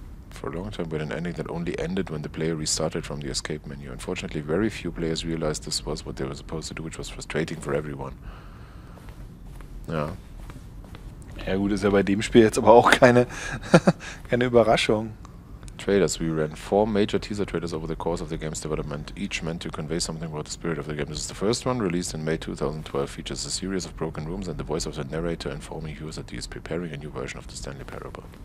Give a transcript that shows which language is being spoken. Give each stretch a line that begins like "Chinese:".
English: For a long time, with an ending that only ended when the player restarted from the escape menu. Unfortunately, very few players realized this was what they were supposed to do, which was frustrating for everyone.
German: Ja. Ja gut, ist ja bei dem Spiel jetzt aber auch keine, keine Überraschung.
English: Trailers. We ran 4 major teaser trailers over the course of the game's development, each meant to convey something about the spirit of the game. This is the first one, released in May 2012, features a series of broken rooms and the voice of the narrator informing you that he is preparing a new version of the Stanley Parable.